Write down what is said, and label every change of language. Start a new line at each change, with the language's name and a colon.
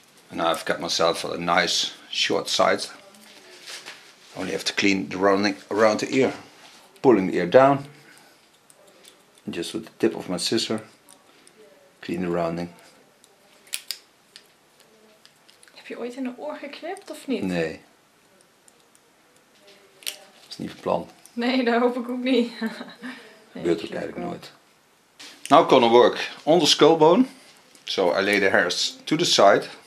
English: And now I've got myself a nice short side. Only have to clean the rounding around the ear, pulling the ear down. And just with the tip of my scissor, clean the rounding.
Dutch: Heb je ooit in een oor geknipt of niet? Nee. Dat is niet van plan. Nee, dat hoop ik ook niet. Dat gebeurt ook eigenlijk nooit.
English: Now I'm gonna work on the skull bone. So I lay the hairs to the side.